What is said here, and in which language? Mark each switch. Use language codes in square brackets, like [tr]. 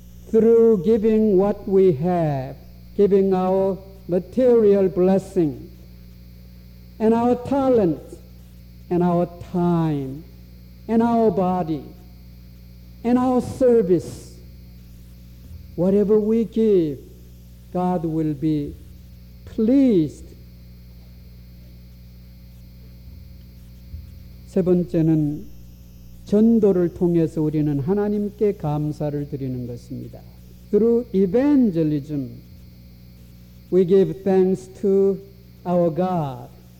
[en] Through giving what we have, giving our material blessing, and our talent, and our time, and our body, and our service, whatever we give, God will be pleased. [ko] 세 번째는 전도를 통해서 우리는 하나님께 감사를 드리는 것입니다. [en] Through evangelism, we give thanks to our God.